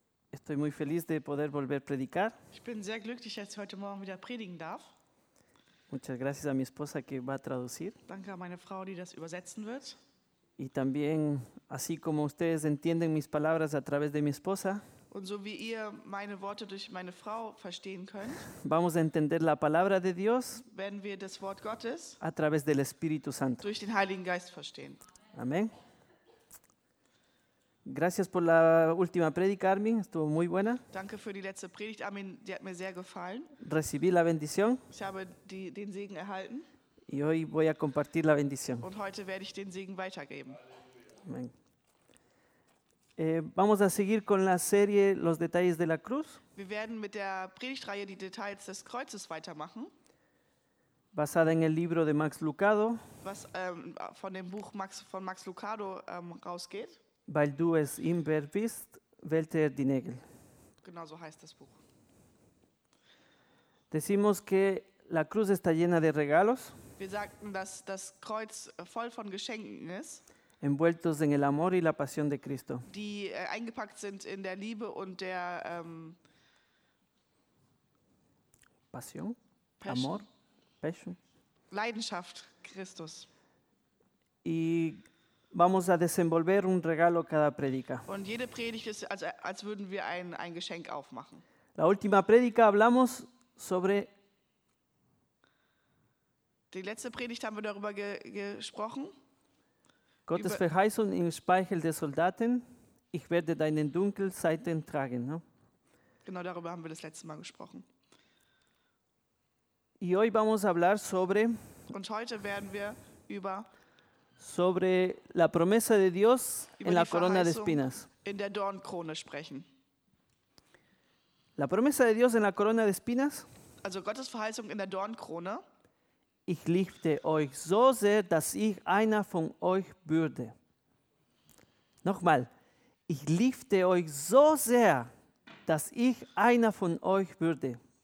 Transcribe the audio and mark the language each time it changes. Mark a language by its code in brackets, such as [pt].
[es] Estoy muy feliz de poder volver a predicar. [de] Ich bin sehr glücklich, dass ich heute Morgen wieder predigen darf. [es] Muchas gracias a mi esposa que va a traducir. [de] Danke an meine Frau, die das übersetzen wird. [es] Y también, así como ustedes entienden mis palabras a través de mi esposa. [de] Und so wie ihr meine Worte durch meine Frau verstehen könnt, [es] vamos a entender la palabra de Dios, [de] werden wir das Wort Gottes [es] a través del Espíritu Santo. [de] Durch den Heiligen Geist verstehen. [es] Amén. Gracias por la última predica, Armin. Estuvo muy buena. [de] Danke für die letzte Predigt, Armin. Die hat mir sehr gefallen. [es] Recibí la bendición. [de] Ich habe den Segen erhalten. [es] Y hoy voy a compartir la bendición. [de] Und heute werde ich den Segen weitergeben. [es] Amén. Vamos a seguir con la serie Los Detalles de la Cruz. [de] Wir werden mit der Predigtreihe die Details des Kreuzes weitermachen. [es] Basada en el libro de Max Lucado. [de] Was von dem Buch von Max Lucado rausgeht. Weil du es immer bist, wählte er die Nägel. Genau so heißt das Buch. [es] Decimos que la cruz está llena de regalos. [de] Wir sagten, dass das Kreuz voll von Geschenken ist. [es] Envueltos en el amor y la pasión de Cristo. [de] Die eingepackt sind in der Liebe und der Passion? Passion, Amor, Passion, Leidenschaft Christus. [es] Y vamos a desenvolver un regalo cada predica. [de] Und jede Predigt ist, als würden wir ein Geschenk aufmachen. [es] La última predica hablamos sobre. [de] Die letzte Predigt haben wir darüber gesprochen. Gottes Verheißung im Speichel der Soldaten, ich werde deine Dunkelseiten tragen. [es] No? [de] Genau darüber haben wir das letzte Mal gesprochen. [es] Y hoy vamos a hablar sobre. [de] Und heute werden wir über. [es] Sobre la promesa de Dios en la corona de espinas. [de] In der Dornkrone sprechen. [es] La promesa de Dios en la corona de espinas. [de] Also Gottes Verheißung in der Dornkrone. Ich liebte euch so sehr, dass ich einer von euch würde. Nochmal. Ich liebte euch so sehr, dass ich einer von euch würde.